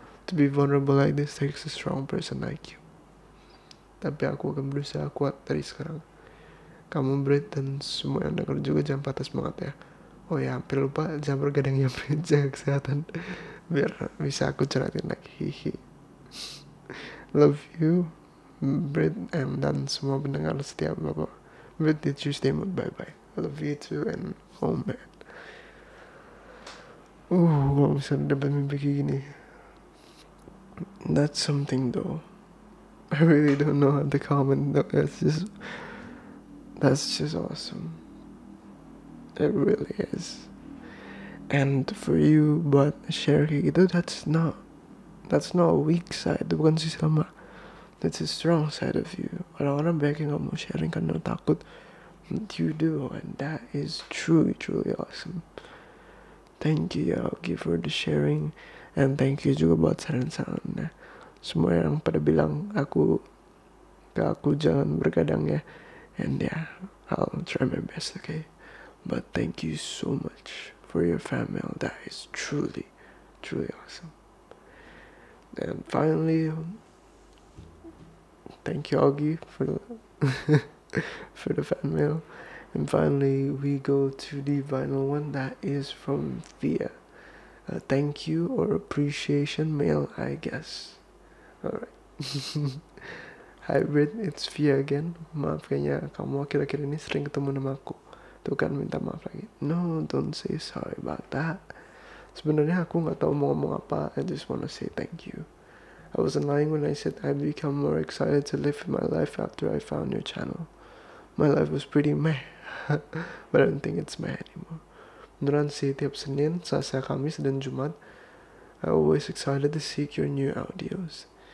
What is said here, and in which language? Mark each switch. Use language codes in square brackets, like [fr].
[en] To be vulnerable like this takes a strong person like you. [id] Tapi aku akan berusaha kuat dari sekarang. Kamu Brit dan semua yang denger juga jangan patah semangat ya. Oh ya, hampir lupa jangan bergadang yang jaga kesehatan. Biar bisa aku ceritain lagi. Hihi. [en] Love you, Brit, and [id] dan semua pendengar setiap bapak. [en] Brit, did you stay mood? Bye-bye. Love you too, and oh man. [id] Kalau misalnya dapat mimpi kayak gini. [en] That's something though. I really don't know how to comment. That's just awesome. It really is. And for you, but share [id] kayak gitu, [en] that's not a weak side. [id] Itu bukan sisi lemah. [en] That's a strong side of you. [id] Orang-orang banyak yang gak mau sharing karena takut. [en] You do, and that is truly, truly awesome. Thank you, Yogi, for the sharing. And thank you [id] juga buat saran-sarannya. Semua yang pada bilang ke aku jangan bergadang ya. [en] And yeah, I'll try my best, okay? But thank you so much for your fan mail. That is truly, truly awesome. And finally, thank you, Yogi, for the... for the fan mail. And finally we go to the vinyl one. That is from Thea. A thank you or appreciation mail, I guess. Alright. Hybrid, it's V again. [id] Maaf kayaknya kamu akhir-akhir ini sering ketemu nama aku. Tuh kan minta maaf lagi. [en] No, don't say sorry about that. [id] Sebenarnya aku gak tahu mau ngomong apa. [en] I just wanna say thank you. I wasn't lying when I said I've become more excited to live my life after I found your channel. My life was pretty meh. But I don't think it's meh anymore. [id] Beneran sih, tiap Senin, Selasa, Kamis, dan Jumat, [en] I always excited to seek your new audios.